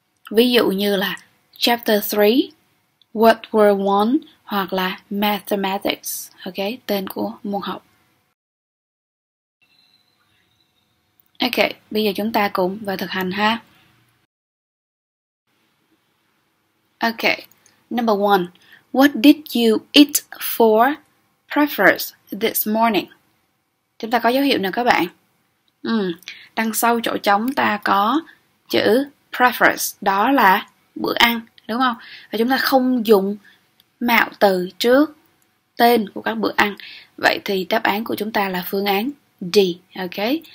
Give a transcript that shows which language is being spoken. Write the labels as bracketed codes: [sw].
[vi] Ví dụ như là Chapter 3, World War 1 hoặc là Mathematics, okay, tên của môn học. Ok, bây giờ chúng ta cùng vào thực hành ha. [en] Ok, number 1. What did you eat for breakfast this morning? [vi] Chúng ta có dấu hiệu nè các bạn. Đằng sau chỗ trống ta có chữ preference, đó là bữa ăn, đúng không? Và chúng ta không dùng mạo từ trước tên của các bữa ăn. Vậy thì đáp án của chúng ta là phương án D, ok?